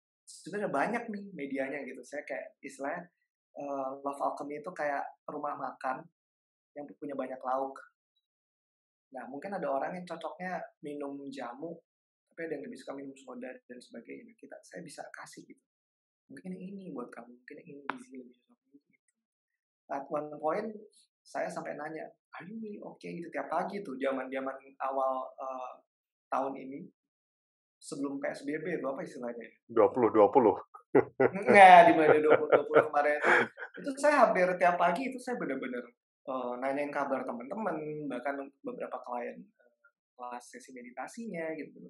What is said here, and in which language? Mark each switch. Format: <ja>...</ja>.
<id>sebenarnya banyak nih medianya gitu. Saya kayak istilahnya Love Alchemy itu kayak rumah makan yang punya banyak lauk. Nah, mungkin ada orang yang cocoknya minum jamu, tapi ada yang lebih suka minum soda dan sebagainya. Nah, kita, saya bisa kasih gitu. Mungkin ini buat kamu, mungkin ini gizi lebih cocok.</id> <en>At one point,</en> <id>saya sampai nanya,</id> <en>are you really okay?</en> <id>Gitu, tiap pagi tuh, zaman-zaman awal tahun ini, sebelum PSBB, itu apa istilahnya? 2020. Nggak, di mana 2020 kemarin itu. Itu saya hampir tiap pagi, itu saya benar-benar nanyain kabar teman-teman, bahkan beberapa klien kelas sesi meditasinya, gitu.</id>